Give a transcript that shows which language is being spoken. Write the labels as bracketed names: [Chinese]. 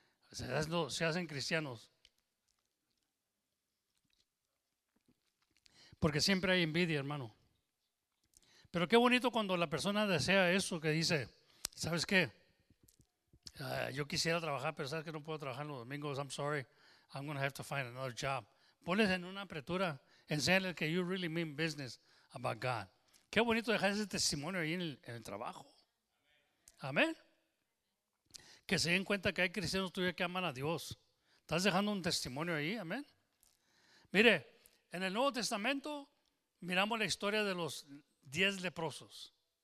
[Spanish] Se hacen cristianos. Porque siempre hay envidia, hermano. Pero qué bonito cuando la persona desea eso, que dice, ¿sabes qué? Yo quisiera trabajar, pero sabes que no puedo trabajar los domingos. [English] I'm sorry, I'm going to have to find another job. [Spanish] Pones en una apertura, enséñale que [English] you really mean business about God. [Spanish] Qué bonito dejar ese testimonio ahí en el trabajo. Amén. Que se den cuenta que hay cristianos tuyos que aman a Dios. Estás dejando un testimonio ahí, amén. Mire, en el Nuevo Testamento miramos la historia de los 10 leprosos.